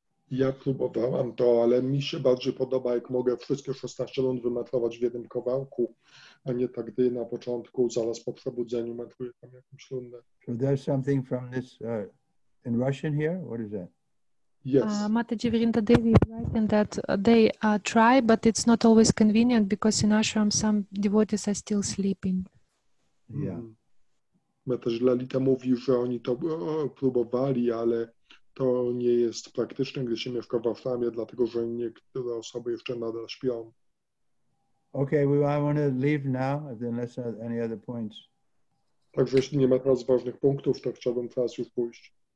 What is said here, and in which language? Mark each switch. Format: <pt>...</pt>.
<pl>Ja próbowałam to, ale mi się bardziej podoba, jak mogę wszystkie 16 rund wymetrować w jednym kawałku, a nie tak, gdy na początku, zaraz po przebudzeniu metruję tam jakąś rundę.</pl> <en>So there's something from this in Russian here? What is that? Yes. Mataji Vrinda Devi is writing that they try, but it's not always convenient because in ashram some devotees are still sleeping. Yeah.</en> <pl>Mataji Lalita mówi, że oni to próbowali, ale to nie jest praktyczne, gdy się mieszka w Aframie, dlatego że niektóre osoby jeszcze nadal śpią.</pl> <en>Okay, well, I want to leave now, unless there are any other points.</en> <pl>Także jeśli nie ma teraz ważnych punktów, to chciałbym teraz już pójść.</pl>